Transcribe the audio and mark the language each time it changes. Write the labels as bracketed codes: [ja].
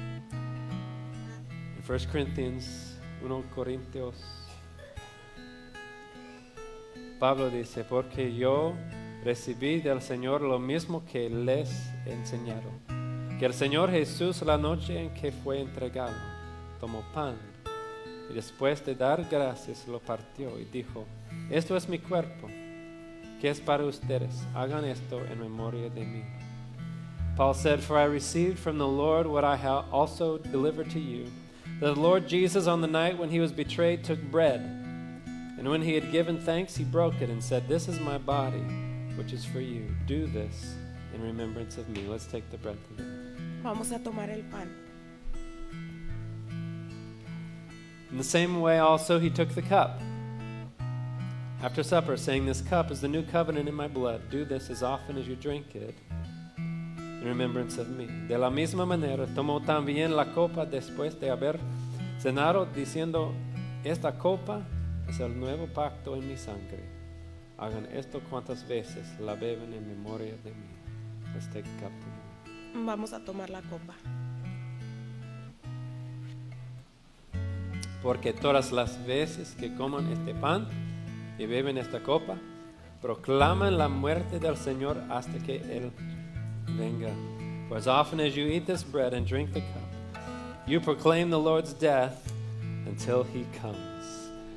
[en] In 1 Corinthians [es] 1 Corintios, Pablo dice, porque yo recibí del Señor lo mismo que les enseñaron, que el Señor Jesús, la noche en que fue entregado, tomó pan y después de dar gracias lo partió y dijo, esto es mi cuerpo, que es para ustedes, hagan esto en memoria de mí. [en] Paul said, for I received from the Lord what I have also delivered to you, that the Lord Jesus on the night when he was betrayed took bread, and when he had given thanks, he broke it and said, this is my body, which is for you. Do this in remembrance of me. Let's take the bread together. [es] Vamos a tomar el pan. [en] In the same way also he took the cup after supper, saying, this cup is the new covenant in my blood. Do this as often as you drink it in remembrance of me. [es] De la misma manera tomó también la copa después de haber cenado, diciendo, esta copa es el nuevo pacto en mi sangre. Hagan esto cuantas veces la beben en memoria de mí. [en] Este cupo. [es] Vamos a tomar la copa. Porque todas las veces que coman este pan y beben esta copa, proclaman la muerte del Señor hasta que Él venga. [en] For as often as you eat this bread and drink the cup, you proclaim the Lord's death until He comes.